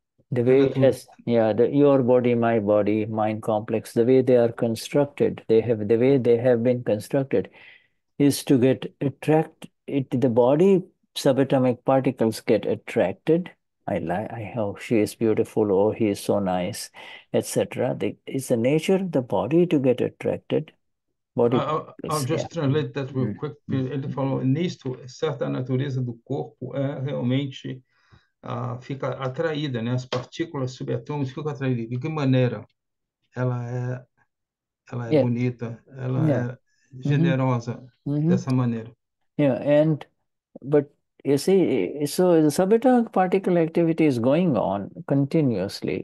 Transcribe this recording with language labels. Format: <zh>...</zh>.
<en>The way it has, your body, my body, mind complex, the way they are constructed, the way they have been constructed is to get the body subatomic particles get attracted. She is beautiful, oh, he is so nice, etc. It's the nature of the body to get attracted. I'll just translate that real quick.</en> <pt>Ele falou, nisto, certa natureza do corpo é realmente... fica atraída, né? As partículas subatômicas ficam atraídas. De que maneira? Ela é bonita, ela é generosa, dessa maneira.</pt> <en>Yeah, and, but, you see, so the subatomic particle activity is going on continuously.</en>